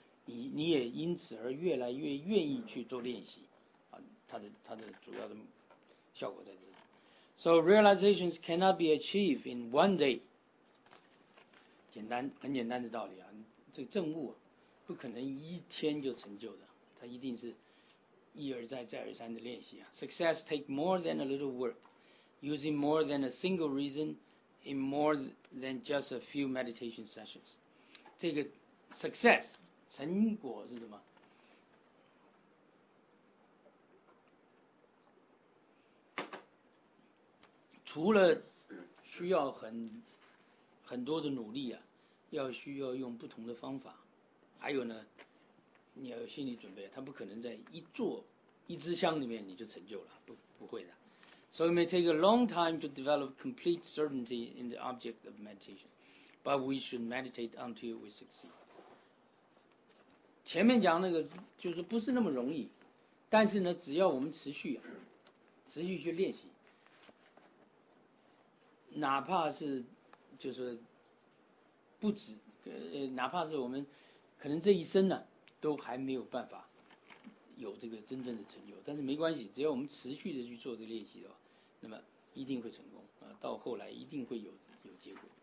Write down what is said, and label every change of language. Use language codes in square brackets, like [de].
[zh] 你也因此而越来越愿意去做练习，啊，它的主要的效果在这里。 [en] So realizations cannot be achieved in one day. [zh] 简单，很简单的道理啊，这个证悟、啊、不可能一天就成就的，它一定是一而再再而三的练习啊。 [en] Success take more than a little work, using more than a single reason, in more than just a few meditation sessions. [zh] 这个 success 成果是什么？除了需要 很多的努力啊，要需要用不同的方法，还有呢，你要有心理准备，它不可能在一座一支香里面你就成就了，不会的。 [en] So it may take a long time to develop complete certainty in the object of meditation, but we should meditate until we succeed. [zh] 前面讲那个就是不是那么容易，但是呢，只要我们持续啊，持续去练习。哪怕是就是不止哪怕是我们可能这一生呢、啊、都还没有办法有这个真正的成就，但是没关系，只要我们持续的去做这个练习的话，那么一定会成功、到后来一定会有结果。